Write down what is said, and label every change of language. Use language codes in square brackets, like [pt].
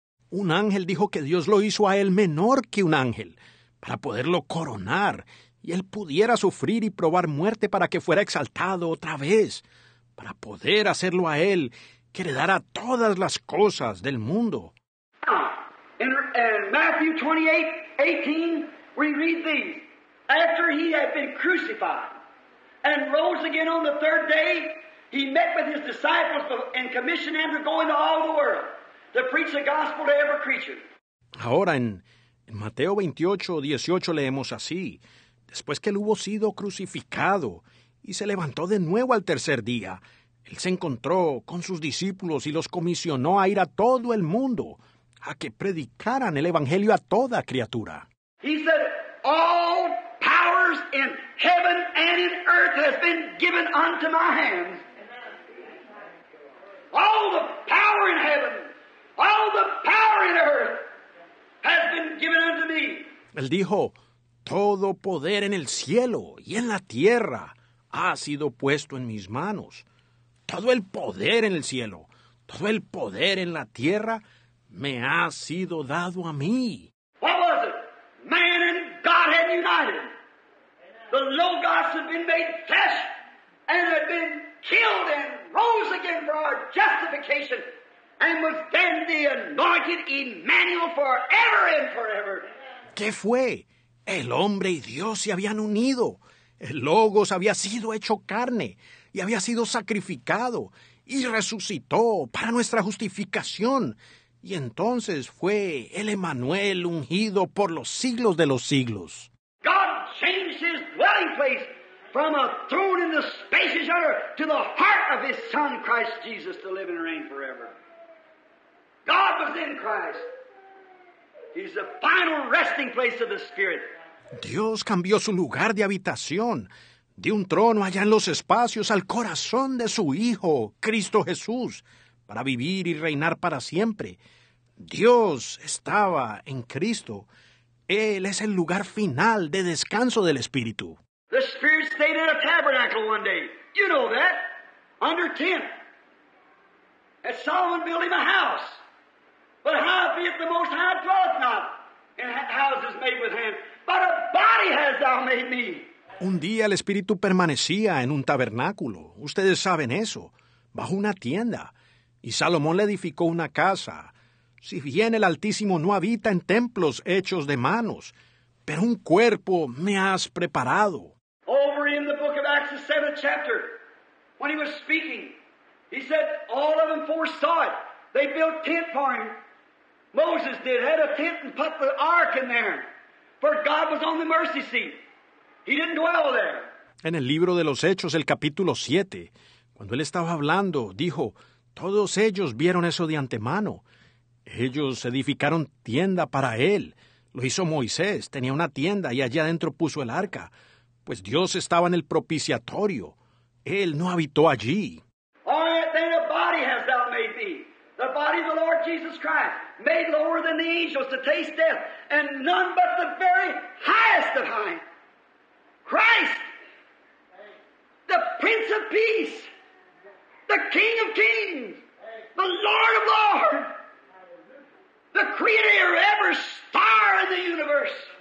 [es] Un ángel dijo que Dios lo hizo a él menor que un ángel para poderlo coronar y él pudiera sufrir y probar muerte para que fuera exaltado otra vez, para poder hacerlo a él que heredara todas las cosas del mundo. [en] In Matthew 28:18, we read these. After he had been crucified and rose again on the third day, he met with his disciples and commissioned them to go into all the world to preach the gospel to every creature. [es] Ahora en Mateo 28:18 leemos así. Después que él hubo sido crucificado y se levantó de nuevo al tercer día, él se encontró con sus discípulos y los comisionó a ir a todo el mundo a que predicaran el evangelio a toda criatura. [en] He said, all powers in heaven and in earth has been given unto my hands. All the power in heaven, all the power in earth has been given unto me. [es] Él dijo, todo poder en el cielo y en la tierra ha sido puesto en mis manos. Todo el poder en el cielo, todo el poder en la tierra me ha sido dado a mí. [en] What was it? Man and God had united. The Logos had been made flesh and had been killed and rose again for our justification and was then the anointed Emmanuel forever and forever. [es] ¿Qué fue? El hombre y Dios se habían unido. El Logos había sido hecho carne y había sido sacrificado y resucitó para nuestra justificación. Y entonces fue el Emmanuel ungido por los siglos de los siglos. [en] God changed his dwelling place from a throne in the spacious earth to the heart of his son Christ Jesus to live and reign forever. God was in Christ. He's the final resting place of the Spirit. [es] Dios cambió su lugar de habitación, de un trono allá en los espacios al corazón de su Hijo, Cristo Jesús, para vivir y reinar para siempre. Dios estaba en Cristo. Él es el lugar final de descanso del Espíritu. [en] The Spirit stayed in a tabernacle one day. You know that. Under tent. And Solomon built him a house. But how be it the Most High dwelleth not in houses made with hands? But a body hast thou made me. [es] Un día el Espíritu permanecía en un tabernáculo. Ustedes saben eso. Bajo una tienda. Y Salomón le edificó una casa. Si bien el Altísimo no habita en templos hechos de manos, pero un cuerpo me has preparado. [en] Over in the book of Acts, the 7th chapter, when he was speaking, he said, all of them foresaw it. They built tent for him. Moses did, had a tent and put the ark in there. For God was on the mercy seat. He didn't dwell there. [es] En el libro de los Hechos, el capítulo 7, cuando él estaba hablando, dijo, todos ellos vieron eso de antemano. Ellos edificaron tienda para él. Lo hizo Moisés. Tenía una tienda y allá adentro puso el arca. Pues Dios estaba en el propiciatorio. Él no habitó allí. [en] All right, then a body hast thou made thee. The body of the Lord Jesus Christ, made lower than the angels to taste death. And none but the very highest of high. Christ, the Prince of Peace. the King of Kings, the Lord of Lords, the Creator of every star in the universe.